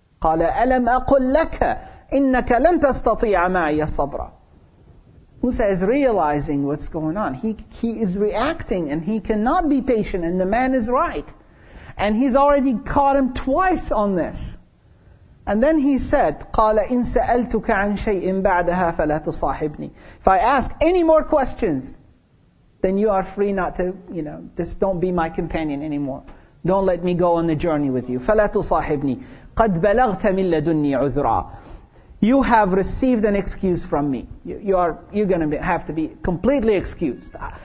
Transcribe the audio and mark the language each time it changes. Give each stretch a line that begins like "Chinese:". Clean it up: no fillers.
Arabic: قَالَ أَلَمْ أَقُلْ لَكَ إِنَّكَ لَنْ تَسْتَطِيعَ مَعِيَ صَبْرًا.
English: Musa is realizing what's going on. He is reacting and he cannot be patient, and the man is right. And he's already caught him twice on this. And then he said,
Arabic: قَالَ إِن سَأَلْتُكَ عَنْ شَيْءٍ بَعْدَهَا فَلَا تُصَاحِبْنِي.
English: If I ask any more questions, then you are free not to, you know, just don't be my companion anymore. Don't let me go on the journey with you.
Arabic: فَلَا تُصَاحِبْنِي. قَدْ بَلَغْتَ مِنْ لَدُنِّي عُذْرًا.
English: You have received an excuse from me. You're going to have to be completely excused.